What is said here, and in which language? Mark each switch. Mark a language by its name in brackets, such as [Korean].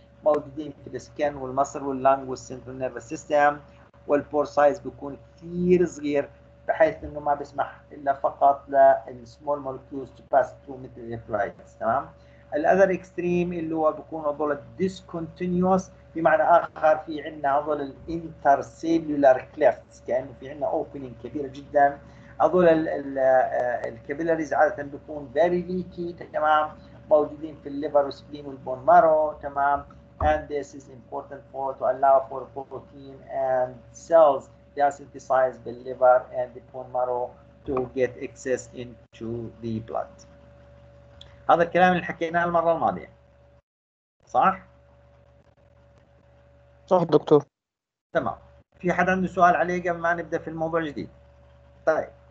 [Arabic] موجودين في السكن والمصر واللنج والسنترال نيرفس سيستم، والبور سايز بيكون كثير صغير بحيث انه ما بيسمح الا فقط [English] للسمول molecules to pass through [Arabic] مثل الالكترولايتس، تمام؟ الاذر اكستريم اللي هو بيكون هذول discontinuous، بمعنى اخر في عندنا هذول الانتر سيلولار كليفتس، كانه في عندنا اوبننج كبيره جدا، هذول الكابيلاريز عاده بيكون [English] very leaky, [Arabic] تمام؟ موجودين في الليفر والسبلين والبون مارو. تمام. [English] And this is important for to allow for protein and cells to synthesize the liver and the bone marrow to get access into the blood. [Arabic] هذا الكلام اللي حكيناه المرة الماضية. صح؟ صح دكتور. تمام. في حد عنده سؤال عليه قبل ما نبدأ في الموضوع الجديد؟ طيب.